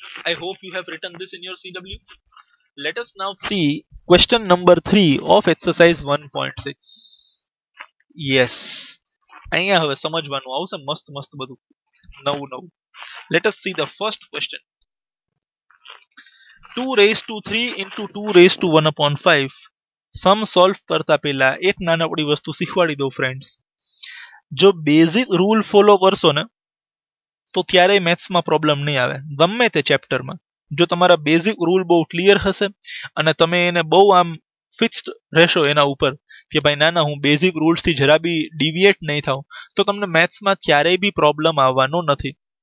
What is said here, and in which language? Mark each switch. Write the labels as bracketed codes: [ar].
[en] I hope you have written this in your CW. Let us now see question number 3 of exercise 1.6. Yes. [gu] અહીંયા હવે સમજવાનું આવશે મસ્ત મસ્ત બધું નવું નવું. [en] Let us see the first question. 2 raised to 3 into 2 raised to 1 upon 5. [gu] Sum solve કરતા પહેલા એક નાનકડી વસ્તુ શીખવાડી દઉં ફ્રેન્ડ્સ. જો બેઝિક રૂલ ફોલો કરશો ને તો ત્યારે મેથ્સમાં પ્રોબ્લેમ નહીં આવે. ગમે તે ચેપ્ટરમાં જો તમારા બેઝિક રૂલ બહુ ક્લિયર હશે અને તમે એને બહુ આમ ફિક્સ્ડ રહેશો એના ઉપર કે ભાઈ ના ના હું બેઝિક રૂલ્સથી જરા બી ડિવિએટ નહીં થાઉં, તો તમને મેથ્સમાં ક્યારેય બી પ્રોબ્લેમ આવવાનો નથી.